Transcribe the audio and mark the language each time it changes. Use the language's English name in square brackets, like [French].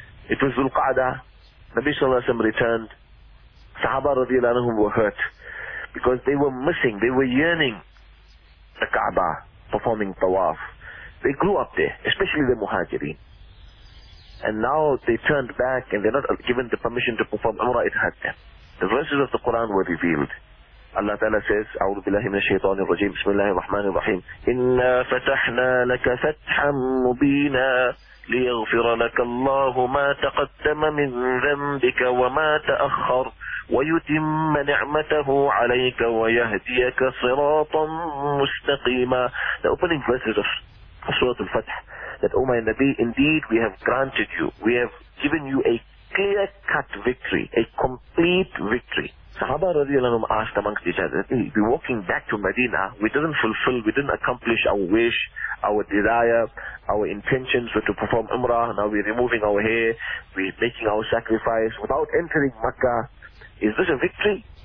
[English] It was Dhul-Qa'dah, Nabi sallallahu alayhi wa sallam returned, Sahaba radiallahu anhum were hurt, because they were missing, they were yearning the Kaaba, performing tawaf. They grew up there, especially the Muhajirin. And now they turned back and they're not given the permission to perform Umrah, it hurt them. The verses of the Quran were revealed. Allah Ta'ala says, [Arabic] أعوذ بالله من الشيطان الرجيم بسم الله الرحمن الرحيم إِنَّا فَتَحْنَا لَكَ فَتْحًا مُبِينًا لِيَغْفِرَ لَكَ اللَّهُ مَا تَقَدَّمَ مِنْ ذَنْبِكَ وَمَا تَأَخَّرَ ويتم نعمته عليك ويهديك صراطا مستقيما. [English] The opening verses of Surah Al-Fath, that O my Nabi, indeed we have granted you, we have given you a clear cut victory, a complete victory. Sahaba radiallahu anhum asked amongst each other, we're walking back to Medina, we didn't fulfill, we didn't accomplish our wish, our desire, our intentions were to perform Umrah, now we're removing our hair, we're making our sacrifice without entering Makkah. Is this a victory?